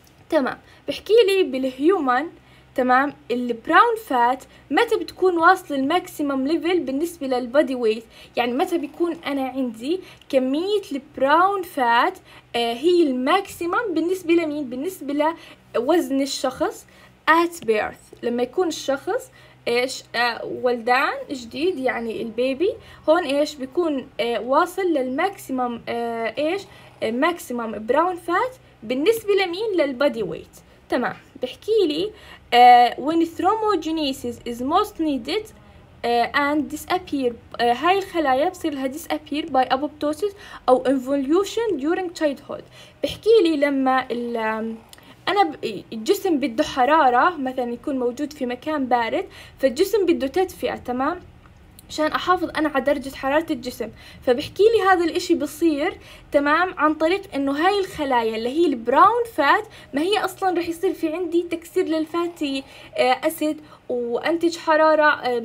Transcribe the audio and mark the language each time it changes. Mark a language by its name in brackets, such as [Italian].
[Arabic] تمام، بحكي لي بالهيومن تمام البراون فات متى بتكون واصل الماكسيمم ليفل بالنسبه للبودي ويت، يعني متى بيكون انا عندي كميه البراون فات هي الماكسيمم بالنسبه لمين؟ بالنسبه لوزن الشخص ات بيرث، لما يكون الشخص ايش ولدان جديد يعني البيبي هون ايش بيكون واصل للماكسيمم ايش ماكسيمم براون فات بالنسبه لمين؟ للبودي ويت. تمام بحكي لي [English] when thermogenesis is most needed and disappear [Arabic] هاي الخلايا بصير لها [English] disappear by apoptosis [Arabic] أو [English] involution during childhood. [Arabic] بحكي لي لما أنا الجسم بده حرارة مثلا يكون موجود في مكان بارد فالجسم بده تدفئة تمام عشان أحافظ أنا على درجة حرارة الجسم، فبحكي لي هذا الإشي بصير تمام عن طريق إنه هاي الخلايا اللي هي البراون فات ما هي أصلاً رح يصير في عندي تكسير للفاتي أسيد وأنتج حرارة